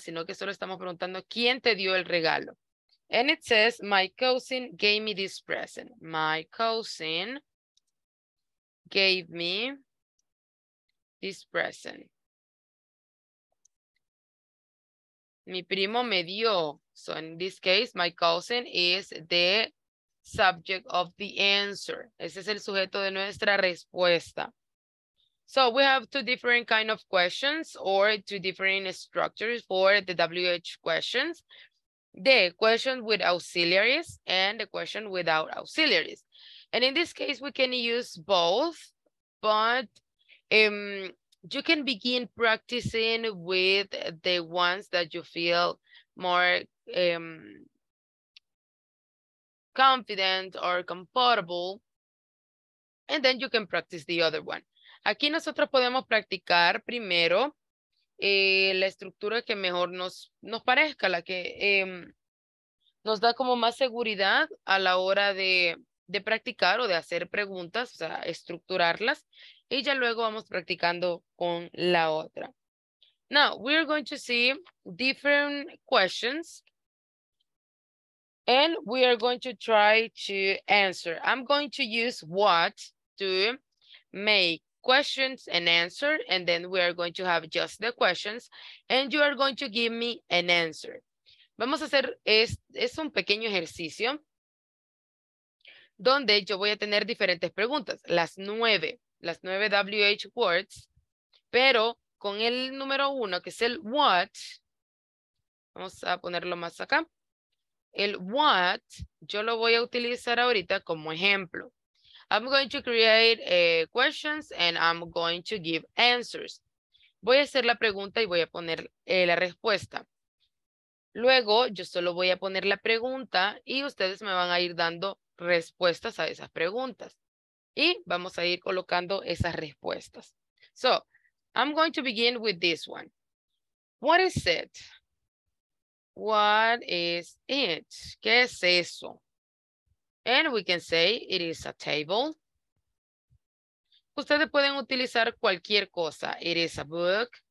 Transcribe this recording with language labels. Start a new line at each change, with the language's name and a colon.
Spanish: Sino que solo estamos preguntando, ¿quién te dio el regalo?
English: And it says, my cousin gave me this present. My cousin gave me this present.
Spanish: Mi primo me dio.
English: So in this case, my cousin is the subject of the answer.
Spanish: Ese es el sujeto de nuestra respuesta.
English: So we have two different kind of questions or two different structures for the WH questions. The question with auxiliaries and the question without auxiliaries. And in this case, we can use both, but you can begin practicing with the ones that you feel more confident or comfortable, and then you can practice the other one.
Spanish: Aquí nosotros podemos practicar primero la estructura que mejor nos parezca, la que nos da como más seguridad a la hora de practicar o de hacer preguntas, o sea, estructurarlas, y ya luego vamos practicando con la otra.
English: Now, we're going to see different questions, and we are going to try to answer. I'm going to use what to make questions and answer, and then we are going to have just the questions, and you are going to give me an answer.
Spanish: Vamos a hacer, es un pequeño ejercicio, donde yo voy a tener diferentes preguntas, las nueve WH words, pero con el número uno, que es el what, vamos a ponerlo más acá, el what, yo lo voy a utilizar ahorita como ejemplo.
English: I'm going to create questions and I'm going to give answers.
Spanish: Voy a hacer la pregunta y voy a poner la respuesta. Luego, yo solo voy a poner la pregunta y ustedes me van a ir dando respuestas a esas preguntas. Y vamos a ir colocando esas respuestas.
English: So, I'm going to begin with this one. What is it? What is it?
Spanish: ¿Qué es eso?
English: And we can say it is a table.
Spanish: Ustedes pueden utilizar cualquier cosa.
English: It is a book.